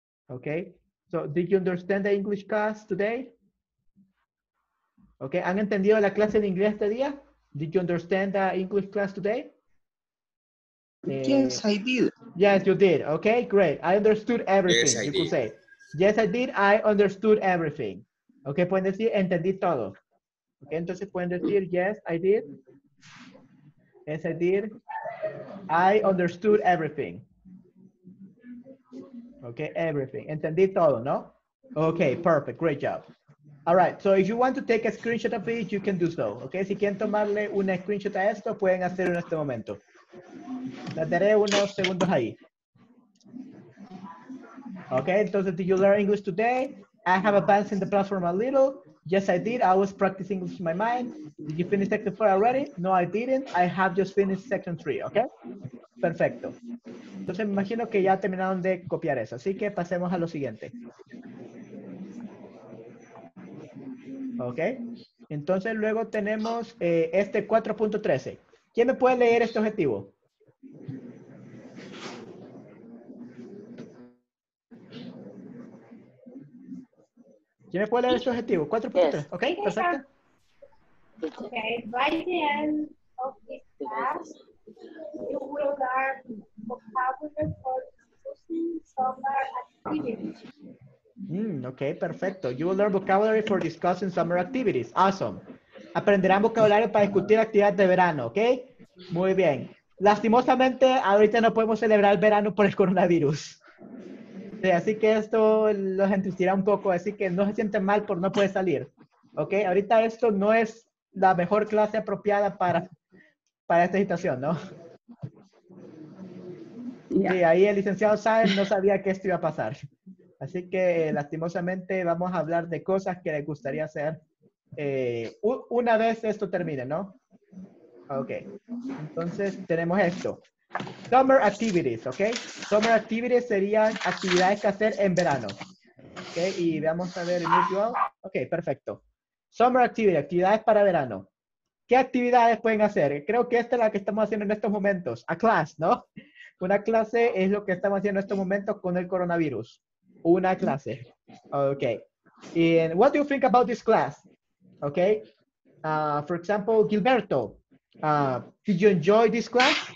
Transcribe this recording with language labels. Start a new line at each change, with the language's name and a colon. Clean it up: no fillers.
English: Okay, so did you understand the English class today?
Spanish: Okay, ¿han entendido la clase de inglés este día?
English: Did you understand the English class today? Yes, I did. Yes, you did. Okay, great. I understood everything. Yes, I did. Could say, yes, I did. I understood everything. Okay,
Spanish: pueden decir, entendí todo.
English: Okay,
Spanish: entonces pueden decir,
English: yes, I did. Yes, I did. I understood everything. Okay, everything.
Spanish: Entendí todo, ¿no?
English: Okay, perfect. Great job. All right, so if you want to take a screenshot of it, you can do so.
Spanish: Okay, si quieren tomarle un screenshot a esto, pueden hacerlo en este momento. Les daré unos segundos ahí.
English: Okay, entonces, did you learn English today? I have advanced in the platform a little. Yes, I did. I was practicing English in my mind. Did you finish section 4 already? No, I didn't. I have just finished section 3. Okay, perfecto.
Spanish: Entonces, me imagino que ya terminaron de copiar eso. Así que pasemos a lo siguiente. Ok, entonces luego tenemos este 4.13. ¿Quién me puede leer este objetivo? ¿Quién me puede leer este objetivo? 4.13, yes. Ok, perfecto. Ok,
English: by the end of this class, you will learn vocabulary for discussing summer activities.
Spanish: Okay, perfecto.
English: You will learn vocabulary for discussing summer activities. Awesome.
Spanish: Aprenderán vocabulario para discutir actividades de verano, ¿ok? Muy bien. Lastimosamente, ahorita no podemos celebrar el verano por el coronavirus. Sí, así que esto los entristecerá un poco, así que no se sienten mal por no poder salir. ¿Ok? Ahorita esto no es la mejor clase apropiada para esta situación, ¿no? Sí, ahí el licenciado Sáenz no sabía que esto iba a pasar. Así que, lastimosamente, vamos a hablar de cosas que les gustaría hacer una vez esto termine, ¿no? Ok. Entonces, tenemos esto. Summer activities, ¿ok? Summer activities serían actividades que hacer en verano. Ok, y vamos a ver el mutual. Ok, perfecto. Summer activities, actividades para verano. ¿Qué actividades pueden hacer? Creo que esta es la que estamos haciendo en estos momentos. A class, ¿no? Una clase es lo que estamos haciendo en estos momentos con el coronavirus. Una clase. Ok.
English: And what do you think about this class? Ok. For example, Gilberto, did you enjoy this class?